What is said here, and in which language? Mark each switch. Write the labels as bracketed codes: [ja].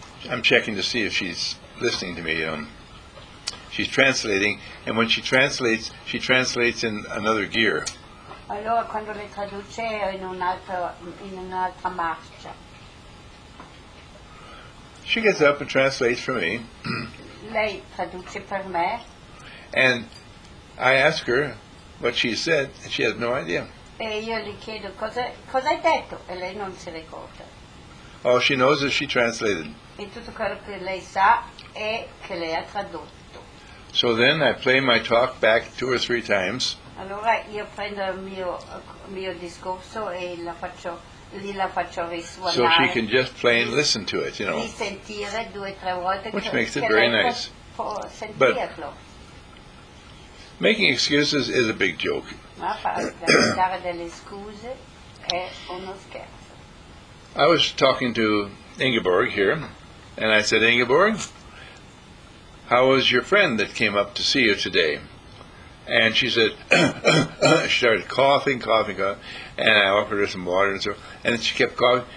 [en] I'm checking to see if she's listening to me. She's translating, and when she translates in another gear. [it] Allora, quando le traduce in un'altra marcia. [en] She gets up and translates for me. [it] Lei traduce per me. [en] And I ask her what she said, and she has no idea. [it] E io le chiedo cosa hai detto, e lei non si ricorda. [en] All she knows is she translated. [it] E tutto quello che lei sa è che lei ha tradotto. [en] So then I play my talk back two or three times. [it] Allora io prendo il mio discorso e la faccio risuonare. [en] So she can just play and listen to it, you know. [it] Di sentire due o tre volte. [en] Which makes it very nice. But making excuses is a big joke. [it] Ma fare delle scuse è uno scherzo. [en] I was talking to Ingeborg here, and I said, Ingeborg, how was your friend that came up to see you today? And she said, she started coughing, and I offered her some water and so, and then she kept coughing.